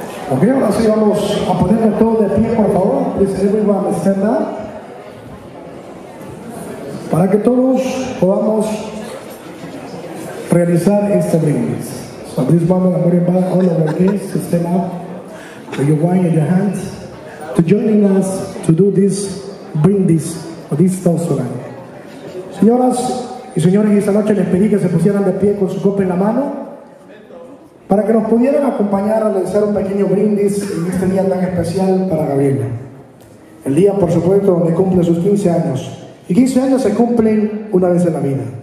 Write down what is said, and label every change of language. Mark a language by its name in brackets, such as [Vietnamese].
[Spanish] Ok, ahora sí vamos a ponerle todo de pie, por favor, para que todos podamos realizar este brindis. [English] So this moment I'm going to invite all of our guests to stand up with your wine in your hands to join us to do this brindis or this toast tonight. [Spanish] Señoras y señores, esta noche les pedí que se pusieran de pie con su copa en la mano para que nos pudieran acompañar a realizar un pequeño brindis en este día tan especial para Gabriela. El día, por supuesto, donde cumple sus 15 años. Y 15 años se cumplen una vez en la vida.